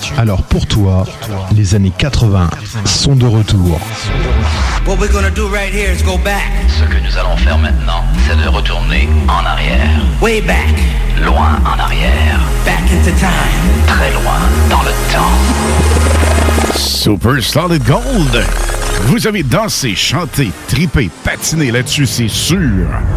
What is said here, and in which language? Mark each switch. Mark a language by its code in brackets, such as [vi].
[fr] Alors pour toi, les années 80 sont de retour. [en] What we're gonna do right here is go back. [fr] Ce que nous allons faire maintenant, c'est de retourner en arrière. [en] Way back. [fr] Loin en arrière. [en] Back into time. [fr] Très loin dans le temps. [en] Super Solid Gold. [fr] Vous avez dansé, chanté, trippé, patiné là-dessus, c'est sûr.